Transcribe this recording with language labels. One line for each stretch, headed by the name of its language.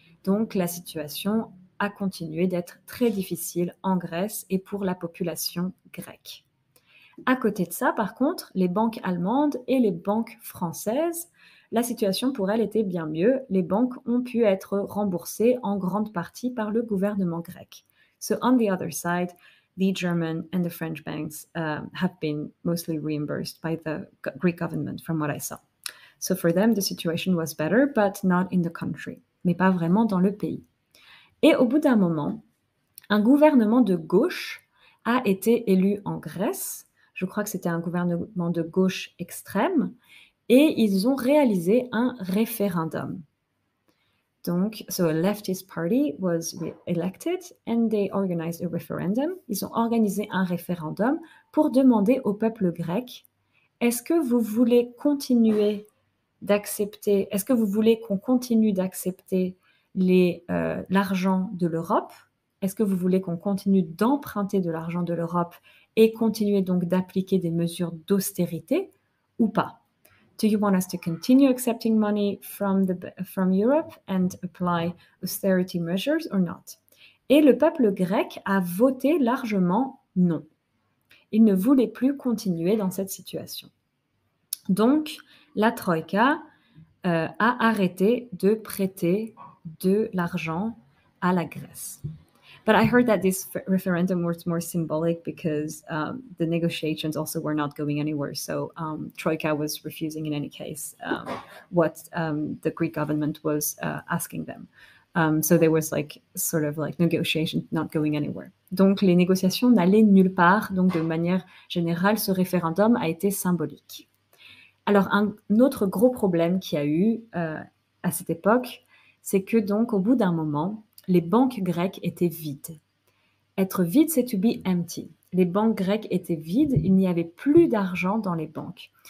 French: Donc, la situation a continué d'être très difficile en Grèce et pour la population grecque. À côté de ça, par contre, les banques allemandes et les banques françaises, la situation pour elles était bien mieux. Les banques ont pu être remboursées en grande partie par le gouvernement grec.
English: So, on the other side, the German and the French banks have been mostly reimbursed by the Greek government, from what I saw. So for them, the situation was better, but not in the country.
French: Mais pas vraiment dans le pays. Et au bout d'un moment, un gouvernement de gauche a été élu en Grèce. Je crois que c'était un gouvernement de gauche extrême. Et ils ont réalisé un référendum.
English: Donc, so a leftist party was elected and they organized a referendum.
French: Ils ont organisé un référendum pour demander au peuple grec, est-ce que vous voulez continuer d'accepter, est-ce que vous voulez qu'on continue d'accepter l'argent de l'Europe? Est-ce que vous voulez qu'on continue d'emprunter de l'argent de l'Europe et continuer donc d'appliquer des mesures d'austérité ou pas?
English: Do you want us to continue accepting money from Europe and apply austerity measures or not?
French: Et le peuple grec a voté largement non. Il ne voulait plus continuer dans cette situation. Donc, la Troïka a arrêté de prêter de l'argent à la Grèce.
English: But I heard that this referendum was more symbolic because the negotiations also were not going anywhere. So Troika was refusing in any case what the Greek government was asking them. So there was like sort of like negotiation not going anywhere.
French: Donc les négociations n'allaient nulle part. Donc de manière générale, ce référendum a été symbolique. Alors un autre gros problème qu'il y a eu à cette époque, c'est que donc au bout d'un moment, les banques grecques étaient vides. Être vide, c'est
English: to be empty.
French: Les banques grecques étaient vides, il n'y avait plus d'argent dans les banques.